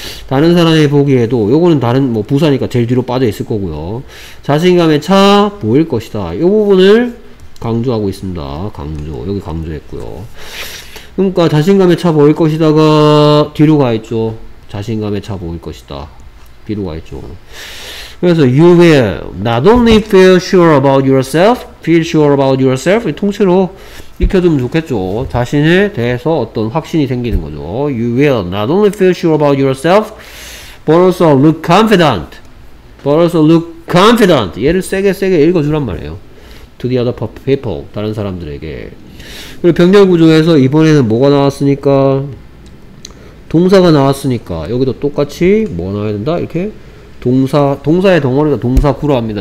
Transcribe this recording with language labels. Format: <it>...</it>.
<ko>다른 사람이 보기에도 요거는 다른 뭐 부사니까 제일 뒤로 빠져 있을 거고요. 자신감에 차 보일 것이다. 요 부분을 강조하고 있습니다. 강조. 여기 강조했고요. 그러니까 자신감에 차 보일 것이다가 뒤로 가 있죠. 자신감에 차 보일 것이다. 뒤로 가 있죠.</ko> <en>그래서 you will not only feel sure about yourself, feel sure about yourself.</en> <ko>통째로 익혀두면 좋겠죠. 자신에 대해서 어떤 확신이 생기는 거죠.</ko> <en>You will not only feel sure about yourself, but also look confident. But also look confident.</en> <ko>얘를 세게 읽어주란 말이에요.</ko> <en>To the other people,</en> <ko>다른 사람들에게. 그리고 병렬구조에서 이번에는 뭐가 나왔으니까 동사가 나왔으니까 여기도 똑같이 뭐 나와야 된다? 이렇게 동사의 덩어리가 동사구로 합니다.</ko>